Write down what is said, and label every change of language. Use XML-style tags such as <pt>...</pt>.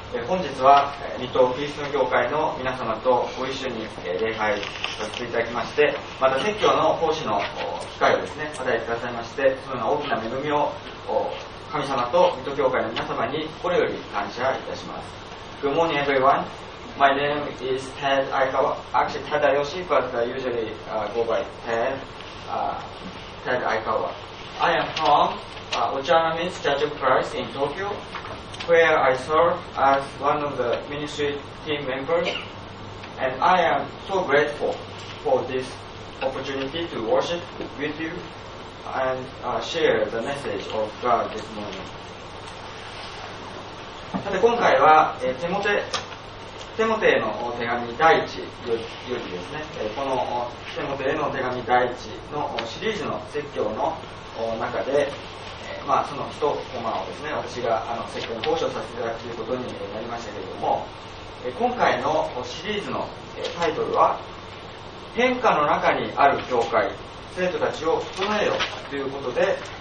<ja>本日は水戸キリストの教会の皆様とご一緒に礼拝させていただきまして、また説教の講師の機会をですね、与えてくださいまして、そのような大きな恵みを神様と水戸教会の皆様に心より感謝いたします。</ja> <en>Good morning everyone. My name is Ted Aikawa. Actually Ted Ayoshi, but usually go by Ted, Ted Aikawa. I am from Ochano Minsu Church of Christ in Tokyo, where I serve as one of the ministry team members. And I am so grateful for this opportunity to worship with youand share the message of God this morning.</en> <ja>さて今回は、テモテへの手紙第1よりですね、このテモテへの手紙第1のシリーズの説教の中で、その一コマをですね、私が説教の講師をさせていただくということになりましたけれども、今回のシリーズのタイトルは変化の中にある教会、生徒たちを整えよということで、</ja>